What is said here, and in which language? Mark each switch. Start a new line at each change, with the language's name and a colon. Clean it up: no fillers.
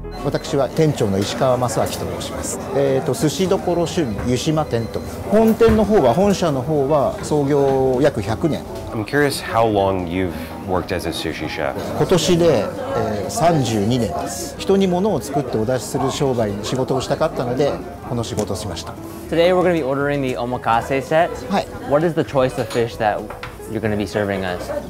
English: I'm curious how long you've worked as a sushi chef.
Japanese: 今年で32年 です。人に物を作ってお出しする商売に仕事をしたかったので この仕事をしました。
English: Today we're going to be ordering the omakase set.
Japanese: はい。
English: What is the choice of fish that you're going to be serving us?